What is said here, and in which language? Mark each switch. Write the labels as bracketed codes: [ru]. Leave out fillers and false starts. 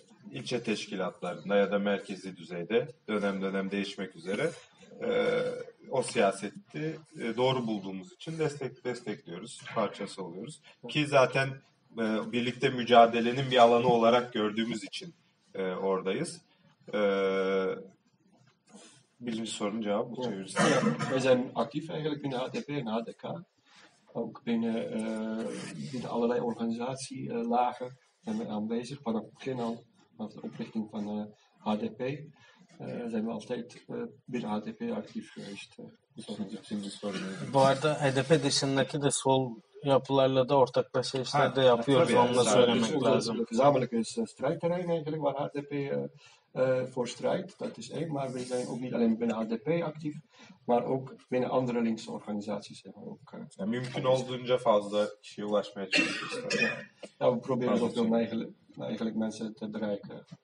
[tr] İlçe teşkilatlarında ya da merkezi düzeyde dönem dönem değişmek üzere o siyaseti doğru bulduğumuz için destekliyoruz. Parçası oluyoruz. Ki zaten birlikte mücadelenin bir alanı olarak gördüğümüz için oradayız. Birinci sorunun cevabı bu. [nl] We zijn actief eigenlijk in de HDP en HDK. Ook binnen, binnen allerlei organisatielagen zijn we aanwezig. Vanaf het begin al, vanaf de oprichting van de HDP, zijn we altijd binnen HDP actief geweest. [tr] Bu arada HDP dışındaki de sol yapılarla da ortaklaşa işler de yapıyoruz. Tabii, onu da söylemek lazım. [nl] Gezamenlijk is strijdterrein eigenlijk waar HDP... voor strijd, dat is één, maar we zijn ook niet alleen binnen HDP actief, maar ook binnen andere linkse organisaties. Zijn we ook, [tr] ja, mümkün olduğunca fazla kişiye ulaşmaya çalışıyoruz. [nl] Ja, we proberen zoveel mogelijk eigenlijk mensen te bereiken.